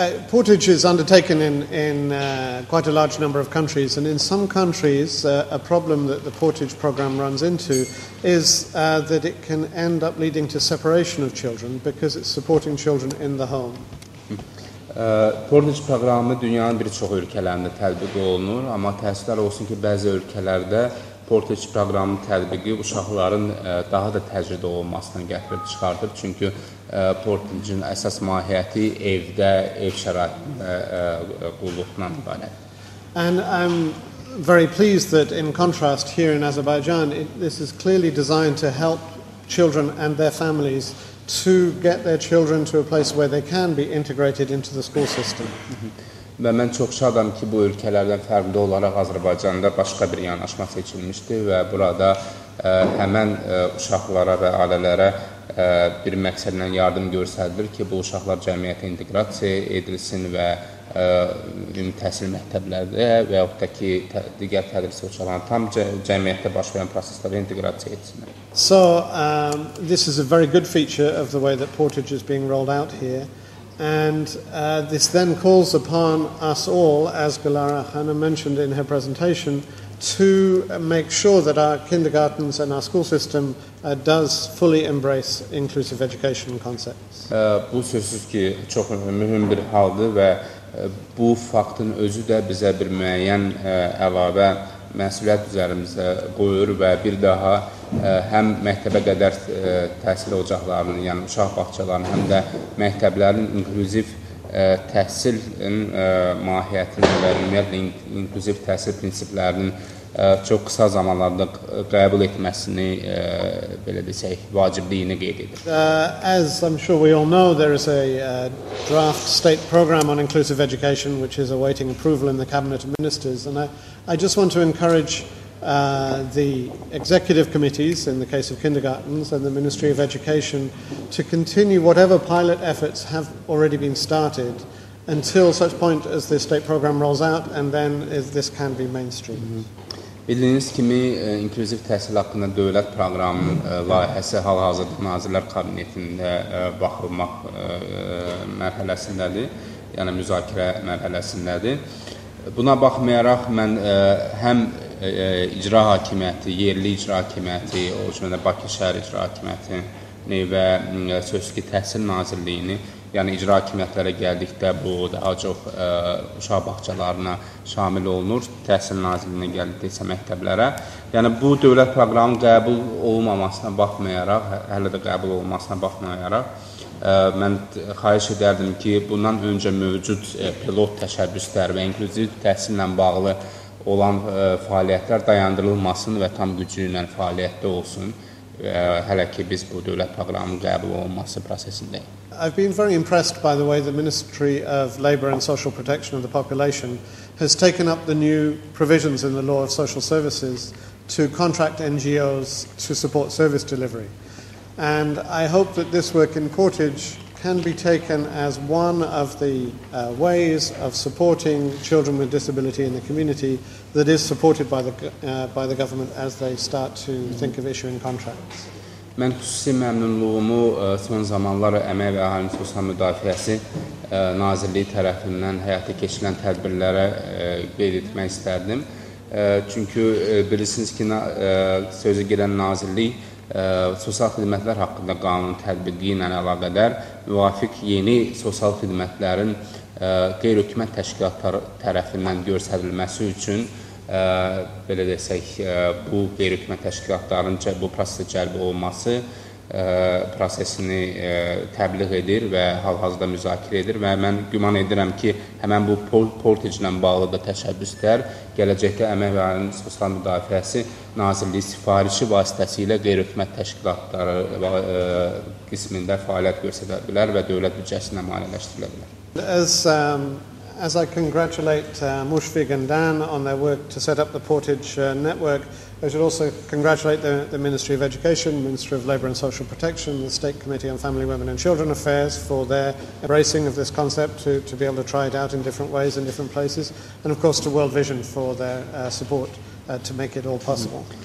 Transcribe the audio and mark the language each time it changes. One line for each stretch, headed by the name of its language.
English: Portage is undertaken in quite a large number of countries, and in some countries a problem that the Portage program runs into is that it can end up leading to separation of children because it's supporting children in the home.
Azerbaijani: Portage programı dünyanın bir çox ülkelerinde tətbiq olunur, amma təəssüflər olsun ki bəzi ölkələrdə Portage proqramının tətbiqi uşaqların daha da təcrid olunmasına gətirib çıxardır. Çünki Portage'in əsas mahiyyəti evdə, ev şəraitində qulluqla ibarət.
English: And I'm very pleased that in contrast here in Azerbaijan, this is clearly designed to help children and their families to get their children to a place where they can be integrated into the school system.
Azerbaijani: Və mən çox şadam ki, bu ölkələrdən fərqli olaraq Azərbaycanda başqa bir yanaşma seçilmişdir və burada həmən uşaqlara və ailələrə bir məqsədlə yardım göstərilir ki, bu uşaqlar cəmiyyətə inteqrasiya edilsin və ümumi təhsil məktəblərdə və yaxud da ki, digər tədris uşaqların tam cəmiyyətdə baş verən proseslərə inteqrasiya etsinlər.
English: So, this is a very good feature of the way that Portage is being rolled out here. And this then calls upon us all, as Gulara Hanna mentioned in her presentation, to make sure that our kindergartens and our school system does fully embrace inclusive education concepts.
Azerbaijani: Bu sözsüz ki çox mühüm bir haldır və bu faktın özü də bizə bir müəyyən əlavə məsuliyyət üzərimizə qoyur və bir daha həm məktəbə qədər təhsil ocaqlarının, yəni uşaq bağçalarının, həm də məktəblərin inklüziv təhsilin mahiyyətini və ümumiyyətlə inklüziv təhsil prinsiplərinin çox qısa zamanlarda qəbul etməsini belə desək, vacibliyini qeyd edir.
English: As I'm sure we all know, there is a draft state program on inclusive education which is awaiting approval in the cabinet of ministers, and I just want to encourage the executive committees in the case of kindergartens and the Ministry of Education to continue whatever pilot efforts have already been started until such point as the state program rolls out and then this can be mainstreamed.
Azerbaijani: Bildiyiniz kimi inklüziv təhsil haqqında dövlət proqramı layihəsi hal-hazırda Nazirlər Kabinetində baxılmaq mərhələsindədir. Yəni müzakirə mərhələsindədir. Buna baxmayaraq mən həm icra hakimiyyəti, yerli icra hakimiyyəti, o cümlədə Bakı şəhər icra hakimiyyəti və sözü ki, təhsil nazirliyini, yəni icra hakimiyyətlərə gəldikdə bu daha çox uşaq bağçalarına şamil olunur, təhsil nazirliyinə gəldikdə isə məktəblərə. Yəni bu dövlət proqramının qəbul olmamasına baxmayaraq, hələ də qəbul olmasına baxmayaraq, mən xahiş edərdim ki, bundan öncə mövcud pilot təşəbbüslər və inklüziv təhsillə bağlı olan fəaliyyətlər dayandırılmasın və tam gücü ilə fəaliyyətdə olsun. Hələ ki biz bu dövlət proqramının qəbul olunması prosesindəyik.
English: I've been very impressed by the way the Ministry of Labour and Social Protection of the Population has taken up the new provisions in the Law of Social Services to contract NGOs to support service delivery. And I hope that this work in Portage can be taken as one of the ways of supporting children with disability in the community that is supported by the government as they start to think of issuing contracts.
Azerbaijani: Mən xüsusi məmnunluğumu son zamanlar Əmək və Əhalinin Sosial Müdafiəsi Nazirliyi tərəfindən həyata keçirilən tədbirlərə qeyd etmək istərdim. Çünki bilirsiniz ki, sözü gedən Nazirlik sosial xidmətlər haqqında qanun tətbiqi ilə əlaqədar müvafiq yeni sosial xidmətlərin qeyri-hökumət təşkilatları tərəfindən göstərilməsi üçün belə desək, bu qeyri-hökumət təşkilatlarının bu prosesə cəlb olması prosesini təbliğ edir və hal-hazırda müzakirə edir və mən güman edirəm ki, həmən bu Portage ilə bağlı da təşəbbüslər gələcəkdə Əmək və Əhalinin Sosial Müdafiəsi Nazirliyi sifarişi vasitəsilə qeyri-hökumət təşkilatları qismində fəaliyyət göstərə bilər və dövlət büdcəsində maliyyələşdirilə bilər.
English: As I congratulate Mushfiq and Dan on their work to set up the Portage network, I should also congratulate the Ministry of Education, Ministry of Labour and Social Protection, the State Committee on Family, Women and Children Affairs for their embracing of this concept to be able to try it out in different ways in different places, and of course to World Vision for their support to make it all possible.